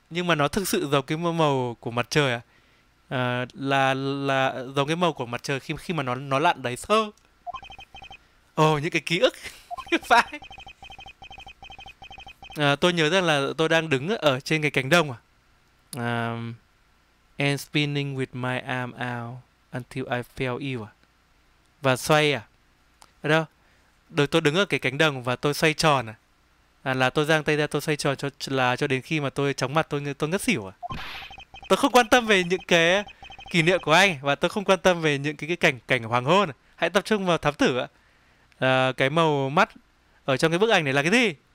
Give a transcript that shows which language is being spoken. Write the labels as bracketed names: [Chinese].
[Vietnamese] Nhưng mà nó thực sự giống cái màu của mặt trời à? Là giống cái màu của mặt trời khi mà nó lặn đáy sơ. Những cái ký ức. Phải. Tôi nhớ rằng là tôi đang đứng ở trên cái cánh đồng à. [English] And spinning with my arm out until I fell ill à? [Vietnamese] Và xoay à? Đó. Được, tôi đứng ở cái cánh đồng và tôi xoay tròn à? Là tôi giang tay ra tôi xoay tròn cho đến khi mà tôi chóng mặt tôi ngất xỉu à? Tôi không quan tâm về những cái kỷ niệm của anh và tôi không quan tâm về những cái cảnh hoàng hôn à? Hãy tập trung vào thám tử ạ. À, cái màu mắt ở trong cái bức ảnh này là cái gì?